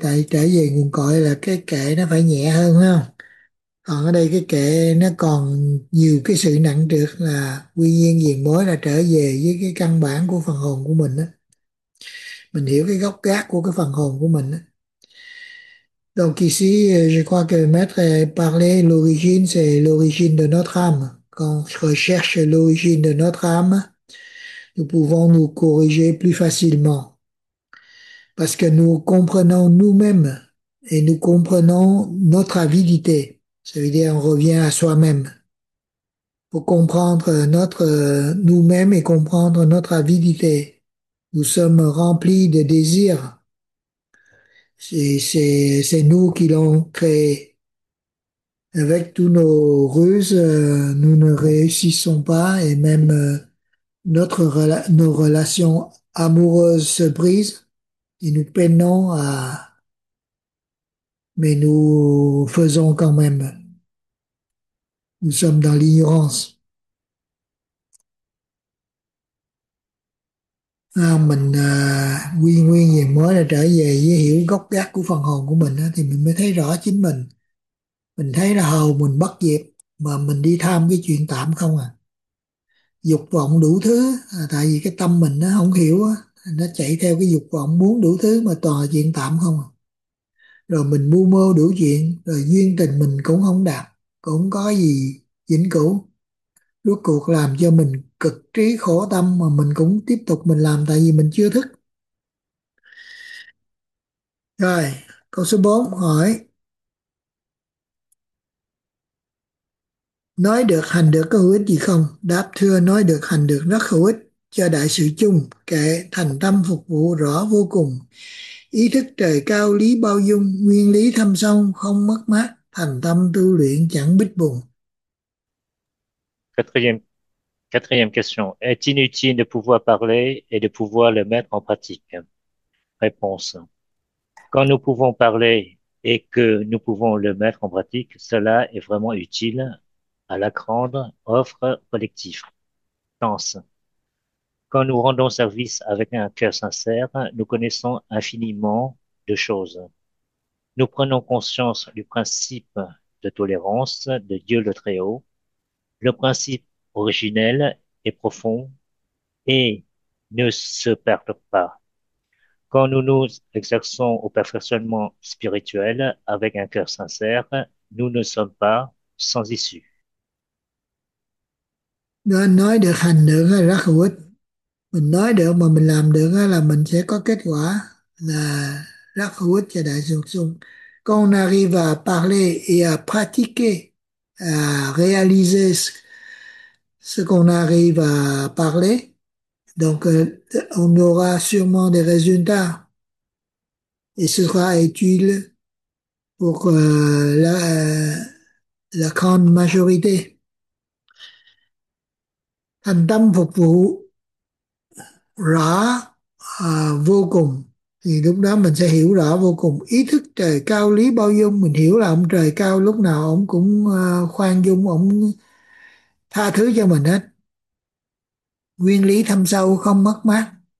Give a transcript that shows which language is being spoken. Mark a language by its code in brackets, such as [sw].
[vi] Tại trở về nguồn cội là cái kệ nó phải nhẹ hơn, không? Còn ở đây cái kệ nó còn nhiều cái sự nặng trược, là quy nguyên diền mới là trở về với cái căn bản của phần hồn của mình đó. Mình hiểu cái gốc gác của cái phần hồn của mình đó. [fr] Donc ici, je crois que maître parlait l'origine, c'est l'origine de notre âme. Quand on recherche l'origine de notre âme, nous pouvons nous corriger plus facilement. Parce que nous comprenons nous-mêmes et nous comprenons notre avidité. Ça veut dire on revient à soi-même pour comprendre notre nous-mêmes et comprendre notre avidité. Nous sommes remplis de désirs. C'est nous qui l'ont créé. Avec toutes nos ruses, nous ne réussissons pas, et même nos relations amoureuses se brisent et nous peinons à. Mais nous faisons quand même. Nous sommes dans l'ignorance. [vi] À, mình quy nguyên về mới là trở về với hiểu gốc gác của phần hồn của mình, thì mình mới thấy rõ chính mình. Mình thấy là hầu mình bất diệt mà mình đi tham cái chuyện tạm không à. Dục vọng đủ thứ, tại vì cái tâm mình nó không hiểu, nó chạy theo cái dục vọng muốn đủ thứ mà toàn là chuyện tạm không à. Rồi mình mưu mô đủ chuyện, rồi duyên tình mình cũng không đạt, cũng có gì vĩnh cửu, rốt cuộc làm cho mình cực trí khổ tâm, mà mình cũng tiếp tục mình làm tại vì mình chưa thức. Rồi câu số 4 hỏi: nói được hành được có hữu ích gì không? Đáp: thưa, nói được hành được rất hữu ích cho đại sự chung. Kệ thành tâm phục vụ rõ vô cùng, ý thức trời cao lý bao dung, nguyên lý thâm sâu không mất mát, thành tâm tu luyện chẳng bích bùng. [fr] Quatrième Quatrième question. Est-il inutile de pouvoir parler et de pouvoir le mettre en pratique? Réponse. Quand nous pouvons parler et que nous pouvons le mettre en pratique, cela est vraiment utile à la grande offre collective. Pense. Quand nous rendons service avec un cœur sincère, nous connaissons infiniment de choses. Nous prenons conscience du principe de tolérance de Dieu le Très-Haut, le principe originel et profond, et ne se perdent pas. Quand nous nous exerçons au perfectionnement spirituel avec un cœur sincère, nous ne sommes pas sans issue. [vi] Nói được hành được là rất hữu ích. Mình nói được mà mình làm được là mình sẽ có kết quả, là rất hữu ích cho đại chúng sung. [fr] Quand on arrive à parler et à pratiquer, à réaliser ce qu'on arrive à parler, donc on aura sûrement des résultats et ce sera utile pour la grande majorité. [vi] Thành tâm phục vụ rõ vô cùng thì lúc đó mình sẽ hiểu rõ vô cùng ý thức trời cao lý bao dung. Mình hiểu là ông trời cao lúc nào ông cũng khoan dung, ông tha thứ cho mình hết, nguyên lý thâm sâu không mất mát.